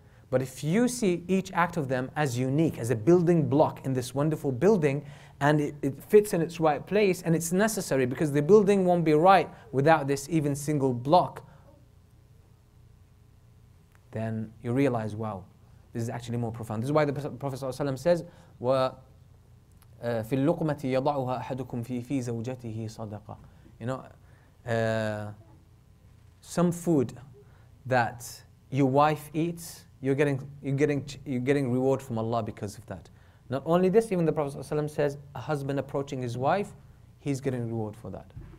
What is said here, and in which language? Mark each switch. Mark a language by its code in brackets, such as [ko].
[en] But if you see each act of them as unique, as a building block in this wonderful building, and it fits in its right place, and it's necessary because the building won't be right without this even single block, then you realize, wow, this is actually more profound. This is why the Prophet ﷺ says, [ar] وَفِي اللُّقْمَةِ يَضَعُهَا أَحَدُكُمْ فِي زَوْجَتِهِ صَدَقَةً. [en] You know, some food that your wife eats, You're getting reward from Allah because of that. Not only this, even the Prophet ﷺ says, a husband approaching his wife, he's getting reward for that.